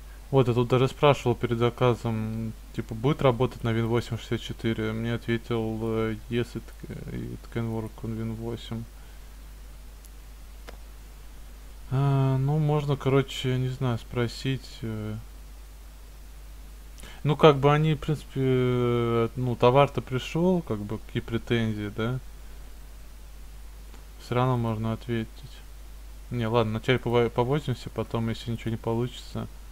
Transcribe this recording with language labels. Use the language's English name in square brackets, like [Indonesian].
[Russian] Вот, я тут даже спрашивал перед заказом, типа, будет работать на Win 8.64? Мне ответил, [English] yes, it can work on Win 8. [Russian] Ну, можно, короче, не знаю, спросить. Ну, как бы они, в принципе, ну, товар-то пришел, как бы, какие претензии, да? Все равно можно ответить. Не, ладно, вначале повозимся, потом, если ничего не получится.